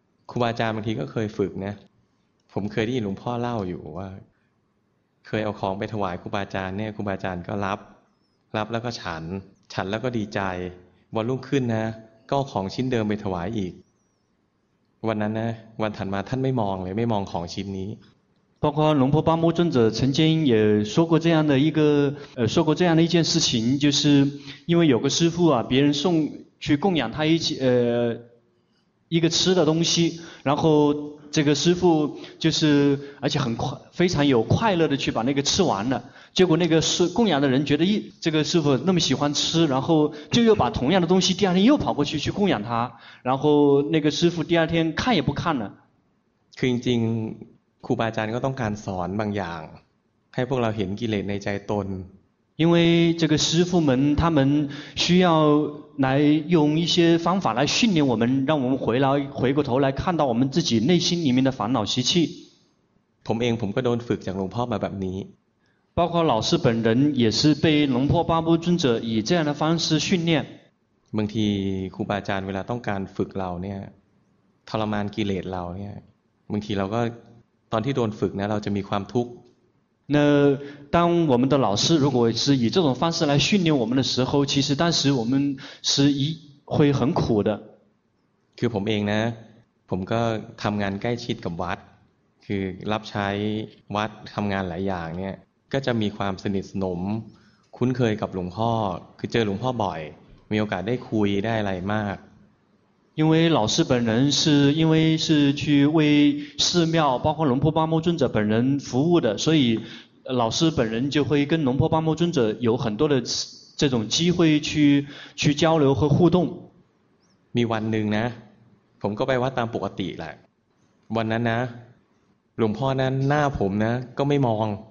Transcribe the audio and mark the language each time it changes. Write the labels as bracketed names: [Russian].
[Thai] ครูบาอาจารย์บางทีก็เคยฝึกนะผมเคยได้ยินหลวงพ่อเล่าอยู่ว่าเคยเอาของไปถวายครูบาอาจารย์เนี่ยครูบาอาจารย์ก็รับแล้วก็ฉันแล้วก็ดีใจวันรุ่งขึ้นนะก็ของชิ้นเดิมไปถวายอีกวันนั้นนะวันถัดมาท่านไม่มองเลยไม่มองของชิ้นนี้ [Chinese] 包括龙婆巴木尊者曾经也说过这样的一个说过这样的一件事情就是因为有个师父啊别人送去供养他一个吃的东西然后这个师父就是而且很快非常有快乐的去把那个吃完了结果那个供养的人觉得这个师父那么喜欢吃然后就又把同样的东西第二天又跑过去供养他然后那个师父第二天看也不看了 [Thai] 肯定ครูบาอาจารย์ก็ต้องการสอนบางอย่างให้พวกเราเห็นกิเลสในใจตน [Chinese] 因为这个师父们他们需要来用一些方法来训练我们让我们回过头来看到我们自己内心里面的烦恼习气 [Thai] ผมเองผมก็โดนฝึกจากหลวงพ่อมาแบบนี้ [Chinese] 包括老师本人也是被龙婆巴布尊者以这样的方式训练 [Thai] บางทีครูบาอาจารย์เวลาต้องการฝึกเราเนี่ยทรมานกิเลสเราเนี่ยบางทีเราก็ตอนที่โดนฝึกนะเราจะมีความทุกข์ [Chinese] 那当我们的老师如果是以这种方式来训练我们的时候其实当时我们是会很苦的 [Thai] คือผมเองนะผมก็ทำงานใกล้ชิดกับวัดคือรับใช้วัดทำงานหลายอย่างเนี่ยก็จะมีความสนิทสนมคุ้นเคยกับหลวงพ่อคือเจอหลวงพ่อบ่อยมีโอกาสได้คุยได้อะไรมาก [Chinese] 因为老师本人是因为是去为寺庙包括龙婆巴木尊者本人服务的所以老师本人就会跟龙婆巴木尊者有很多的这种机会去交流和互动 [Thai] มีวันหนึ่งนะผมก็ไปวัดตามปกติแหละวันนั้นนะหลวงพ่อนั้นหน้าผมนะก็ไม่มอง